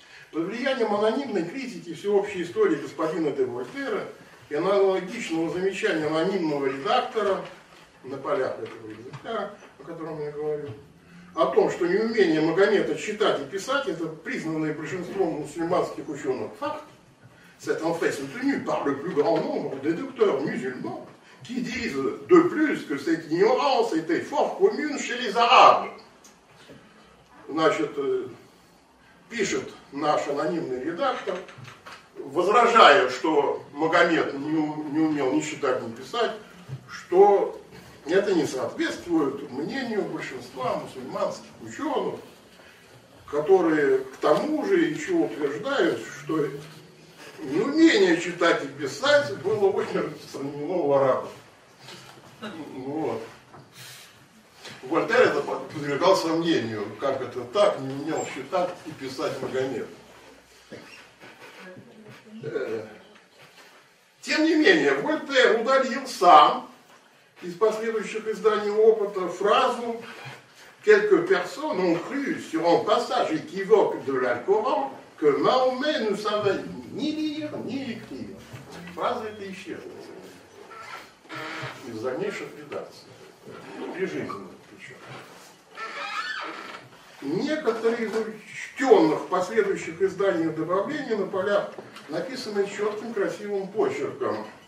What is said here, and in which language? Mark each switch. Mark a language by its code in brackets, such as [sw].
[ru] Под влиянием анонимной критики всеобщей истории господина де Вольтера и аналогичного замечания анонимного редактора на полях этого языка, о котором я говорю, о том, что неумение Магомета читать и писать – это признанный большинством мусульманских ученых факт. [fr] C'est en fait soutenu par le plus grand nombre de docteurs musulmans qui disent de plus que cette ignorance était fort commune chez les Arabes. [ru] Значит, пишет наш анонимный редактор, возражая, что Магомед не умел ни считать, ни писать, что это не соответствует мнению большинства мусульманских ученых, которые к тому же еще утверждают, что неумение читать и писать было очень распространено у арабов. Вот. Вольтер это подвергал сомнению, как это так, не умел считать и писать Магомед. Тем не менее, Вольтер удалил сам из последующих изданий опыта фразу [fr] «Quelques personnes ont cru sur un passage équivoque de l'Alcoran que Mahomet ne savait ни lire, ни écrire». [ru] Фраза эта исчезла из дальнейших редакций. Прижизненно причем. Некоторые из учтенных последующих изданий добавления на полях написаны четким красивым почерком.